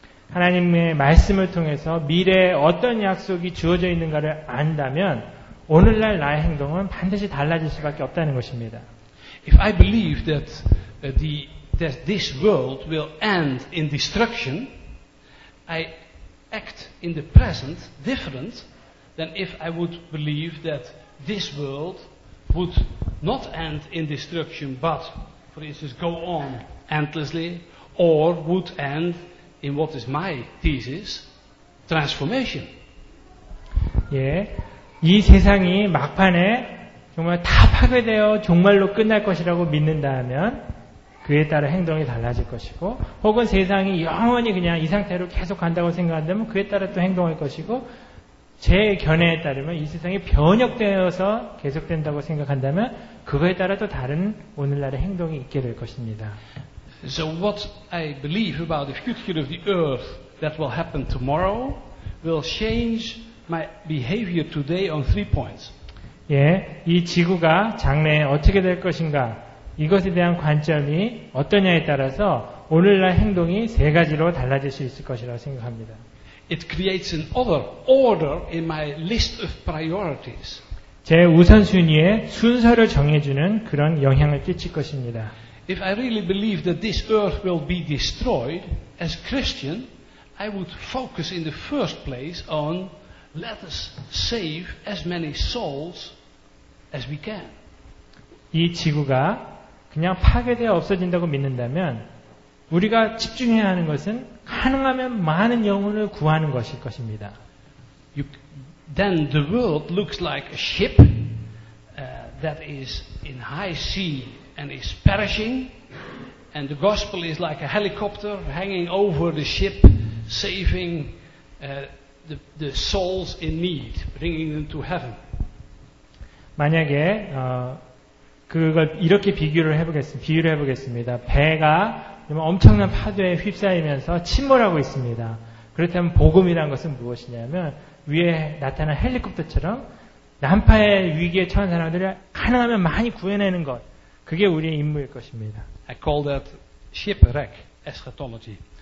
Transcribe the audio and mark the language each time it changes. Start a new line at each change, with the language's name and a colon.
Korean: 하나님의 말씀을 통해서 미래에 어떤 약속이 주어져 있는가를 안다면 오늘날 나의 행동은 반드시 달라질 수밖에 없다는 것입니다.
English: If I believe that that this world will end in destruction, I act in the present different than if I would believe that this world would not end in destruction, but, for instance, go on endlessly, or would end in what is my thesis, transformation.
Korean: 예, 이 세상이 막판에 정말 다 파괴되어 종말로 끝날 것이라고 믿는다면 그에 따라 행동이 달라질 것이고 혹은 세상이 영원히 그냥 이 상태로 계속 간다고 생각한다면 그에 따라 또 행동할 것이고 제 견해에 따르면 이 세상이 변혁되어서 계속된다고 생각한다면 그거에 따라 또 다른 오늘날의 행동이 있게 될 것입니다.
English: So what I believe about the future of the earth that will happen tomorrow will change my behavior today on three points.
Korean: 예, 이 지구가 장래에 어떻게 될 것인가 이것에 대한 관점이 어떠냐에 따라서 오늘날 행동이 세 가지로 달라질 수 있을 것이라고 생각합니다.
English: It creates an other order in my list of priorities.
Korean: 제 우선순위의 순서를 정해주는 그런 영향을 끼칠 것입니다.
English: If I really believe that this earth will be destroyed, as Christian, I would focus in the first place on let us save as many souls as we can.
Korean: 이 지구가 그냥 파괴되어 없어진다고 믿는다면 우리가 집중해야 하는 것은 가능하면 많은 영혼을 구하는 것일 것입니다.
English: Then the world looks like a ship that is in high sea. And is perishing, and the gospel is like a helicopter hanging over the ship, saving the souls in need, bringing them to heaven.
Korean: 만약에 그걸 이렇게 비유를 해보겠습니다. 배가 정말 엄청난 파도에 휩싸이면서 침몰하고 있습니다. 그렇다면 복음이란 것은 무엇이냐면 위에 나타난 헬리콥터처럼 난파의 위기에 처한 사람들을 가능하면 많이 구해내는 것, 그게 우리의 임무일 것입니다.
English: I call that shipwreck eschatology.